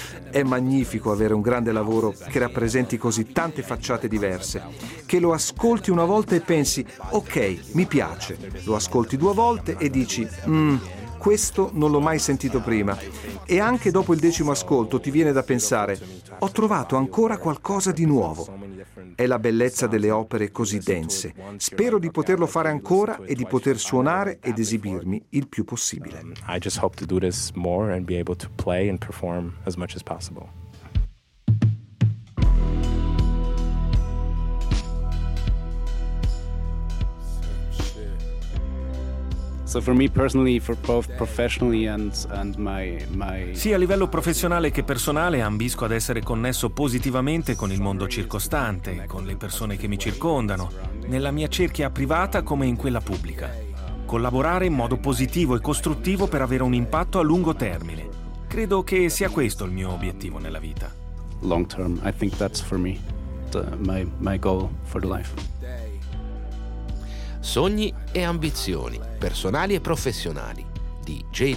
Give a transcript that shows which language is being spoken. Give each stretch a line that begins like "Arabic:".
Italian: È magnifico avere un grande lavoro che rappresenti così tante facciate diverse, che lo ascolti una volta e pensi, ok, mi piace, lo ascolti due volte e dici, questo non l'ho mai sentito prima. E anche dopo il decimo ascolto ti viene da pensare, ho trovato ancora qualcosa di nuovo. È la bellezza delle opere così dense. Spero di poterlo fare ancora e di poter suonare ed esibirmi il più possibile.
English: I just hope to do this more and be able to play and perform as much as possible. So for me personally, for both professionally and my
Italian: sì, a livello professionale che personale ambisco ad essere connesso positivamente con il mondo circostante, con le persone che mi circondano, nella mia cerchia privata come in quella pubblica. Collaborare in modo positivo e costruttivo per avere un impatto a lungo termine. Credo che sia questo il mio obiettivo nella vita.
English: Long term, I think that's for me my goal for the life.
Italian: Sogni e ambizioni, personali e professionali, di J.